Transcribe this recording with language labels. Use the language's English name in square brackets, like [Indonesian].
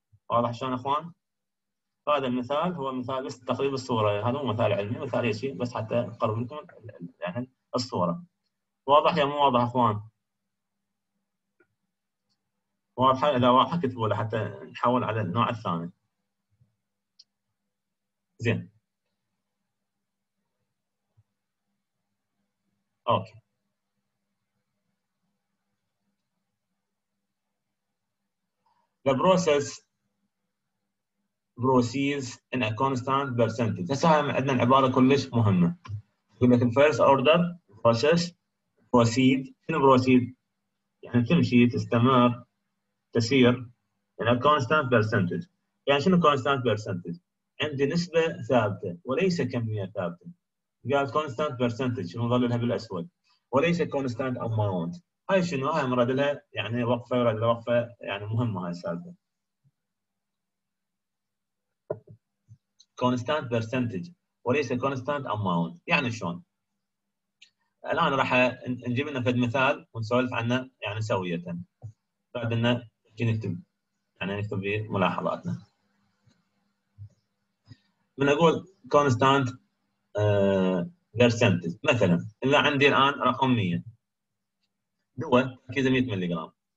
[Arabic] واضح شلون اخوان؟ هذا المثال هو مثال بس تقريب الصوره، هذا مو مثال علمي، مثال شيء بس حتى اقرب لكم يعني الصوره. واضح يا مو واضح اخوان؟ واضح؟ اذا واضح اكتبوا له حتى نحول على النوع الثاني. زين اوكي، [English] البروسيس proceeds in a constant percentage. [Arabic] هسه عندنا العبارة كلش مهمة. يقول لك [English] first order process proceed. [Arabic] شنو proceed؟ يعني تمشي تستمر تسير [English] in a constant percentage. [Arabic] يعني شنو constant percentage؟ عندي نسبة ثابتة وليس كمية ثابتة. قال constant percentage شنو ظللها بالأسود؟ وليس constant amount. هاي شنو؟ هاي مراد لها يعني وقفة، مراد لها وقفة يعني مهمة هاي السالفة. [English] constant percentage [Arabic] وليس [English] constant amount. [Arabic] يعني شلون؟ الان راح نجيب لنا فد مثال ونسولف عنه يعني سويه بعد ان نكتب، يعني نكتب ملاحظاتنا. بنقول constant percentage مثلا اللي عندي الان رقم 100 دواء تركيزه 100 ملي جرام.